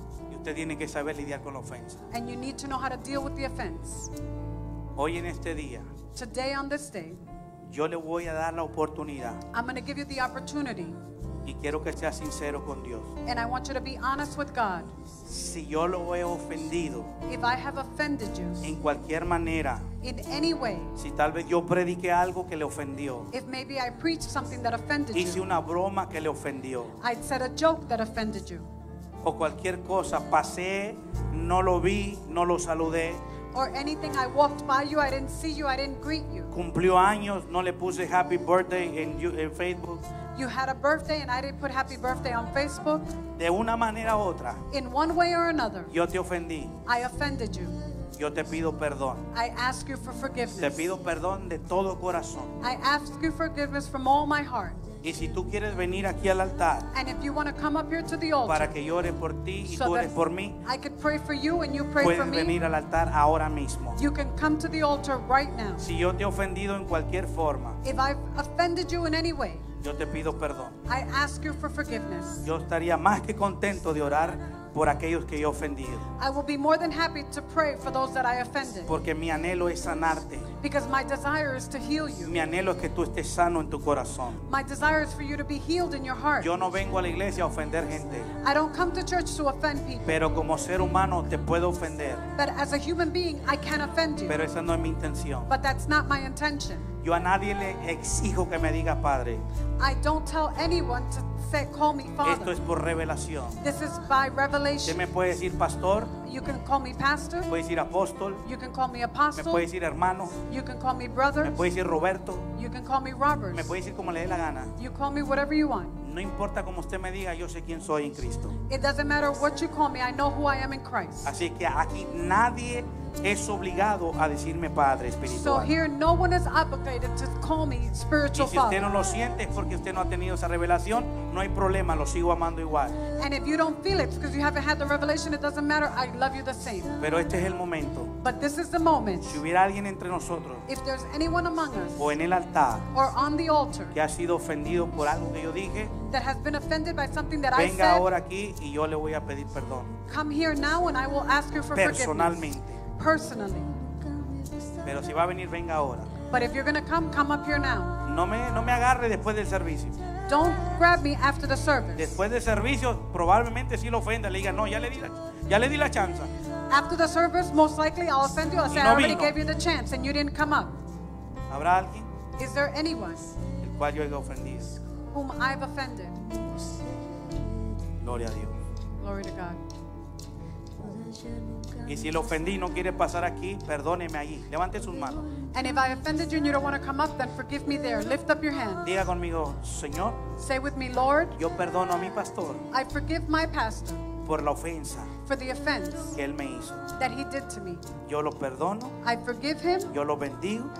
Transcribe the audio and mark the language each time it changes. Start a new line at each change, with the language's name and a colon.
Spanish: Y usted tiene que saber lidiar con la ofensa.
English: And you need to know how to deal with the offense.
Spanish: Hoy en este día,
English: today on this day,
Spanish: yo le voy a dar la oportunidad.
English: I'm going to give you the opportunity.
Spanish: Y quiero que sea sincero con Dios.
English: And I want you to be honest with God.
Spanish: Si yo lo he ofendido,
English: if I have offended you,
Spanish: en cualquier manera,
English: in any way,
Spanish: si tal vez yo prediqué algo que le ofendió,
English: if maybe I preached something that offended
Spanish: hice
English: you,
Spanish: una broma que le ofendió,
English: I said a joke that offended you,
Spanish: o cualquier cosa, pasé, no lo vi, no lo saludé,
English: or anything, I walked by you, I didn't see you, I didn't greet you,
Spanish: cumplió años, no le puse
English: happy birthday
Spanish: en Facebook,
English: you had a birthday and I didn't put happy birthday on Facebook,
Spanish: de una manera u otra,
English: in one way or another,
Spanish: yo te ofendí,
English: I offended you,
Spanish: yo te pido perdón,
English: I ask you for forgiveness,
Spanish: te pido perdón de todo corazón,
English: I ask you forgiveness from all my heart,
Spanish: y si tú quieres venir aquí al altar,
English: and if you want to come up here to the altar,
Spanish: para que yo ore por ti y so tú ores por mí,
English: I can pray for you and you pray
Spanish: puedes
English: for me,
Spanish: venir al altar ahora mismo,
English: you can come to the altar right now,
Spanish: si yo te he ofendido en cualquier forma,
English: if I've offended you in any way,
Spanish: yo te pido perdón,
English: I ask you for forgiveness,
Spanish: yo estaría más que contento de orar por aquellos que yo he ofendido,
English: I will be more than happy to pray for those that I offended,
Spanish: porque mi anhelo es sanarte,
English: because my desire is to heal you,
Spanish: mi anhelo es que tú estés sano en tu corazón,
English: my desire is for you to be healed in your heart,
Spanish: yo no vengo a la iglesia a ofender gente,
English: I don't come to church to offend people,
Spanish: pero como ser humano te puedo ofender,
English: but as a human being I can offend you,
Spanish: pero esa no es mi intención,
English: but that's not my intention,
Spanish: yo a nadie le exijo que me diga padre,
English: I don't tell anyone to say, call me father,
Spanish: esto es por revelación,
English: this is by revelation,
Spanish: usted me puede decir pastor,
English: you can call me pastor,
Spanish: puede decir apóstol,
English: you can call me apostle,
Spanish: me puede decir hermano,
English: you can call me brother,
Spanish: me puede decir Roberto,
English: you can call me Robert,
Spanish: me puede decir como le dé la gana,
English: you call me whatever you want,
Spanish: no importa como usted me diga, yo sé quién soy en Cristo,
English: it doesn't matter what you call me, I know who I am in Christ,
Spanish: así que aquí nadie es obligado a decirme padre espiritual,
English: so here no one is obligated to call me spiritual father,
Spanish: y si usted no lo siente es porque usted no ha tenido esa revelación, no hay problema, lo sigo amando igual,
English: and if you don't feel it because you haven't had the revelation, it doesn't matter, I love you the same,
Spanish: pero este es el momento,
English: but this is the moment,
Spanish: si hubiera alguien entre nosotros,
English: if there's anyone among us,
Spanish: o en el altar,
English: or on the altar,
Spanish: que ha sido ofendido por algo que yo dije,
English: that has been offended by something that
Spanish: venga
English: I said,
Spanish: ahora aquí y yo le voy a pedir perdón,
English: come here now and I will ask you for
Spanish: personalmente
English: forgiveness. Personally.
Spanish: Pero si va a venir, venga ahora.
English: But if you're going to come, come up here now.
Spanish: No me agarre después del servicio.
English: Don't grab me after the service.
Spanish: Después del servicio, probablemente sí lo ofenda. Le diga, no, ya le di la chance.
English: After the service, most likely I'll offend you. I'll say, no, I already gave you the chance and you didn't come up.
Spanish: ¿Habrá alguien?
English: Is there anyone?
Spanish: El cual yo he ofendido.
English: Whom I've offended.
Spanish: Gloria a Dios.
English: Glory to God.
Spanish: Y si le ofendí y no quiere pasar aquí, perdóneme ahí. Levante sus manos.
English: And if I offended you and you don't want to come up, then forgive me there. Lift up your hand.
Spanish: Diga conmigo, Señor.
English: Say with me, Lord.
Spanish: Yo perdono a mi pastor.
English: I forgive my pastor.
Spanish: Por la ofensa.
English: For the offense.
Spanish: Que él me hizo.
English: That he did to me.
Spanish: Yo lo perdono.
English: I forgive him.
Spanish: Yo lo bendigo.